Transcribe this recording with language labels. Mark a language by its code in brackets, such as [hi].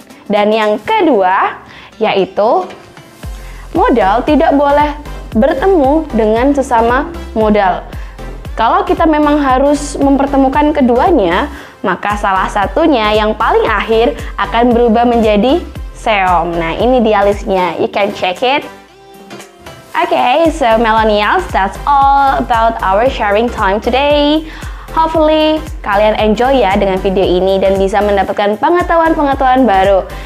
[id] Dan yang kedua, yaitu modal tidak boleh bertemu dengan sesama modal. Kalau kita memang harus mempertemukan keduanya, maka salah satunya yang paling akhir akan berubah menjadi seom. Nah, ini dia listnya. [en] You can check it. Okay, so millennials, that's all about our sharing time today. [id] Hopefully, kalian enjoy ya dengan video ini dan bisa mendapatkan pengetahuan-pengetahuan baru.